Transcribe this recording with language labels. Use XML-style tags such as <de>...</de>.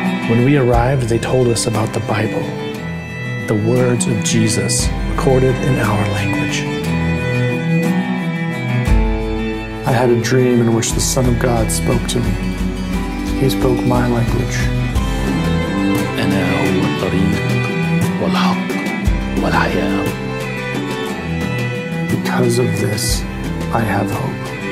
<en>When we arrived, they told us about the Bible, the words of Jesus recorded in our language. I had a dream in which the Son of God spoke to me. He spoke my language.</en> <ar>أنا هو الطريق والحق والحياة.</ar> <en>Because of this, I have hope.</en>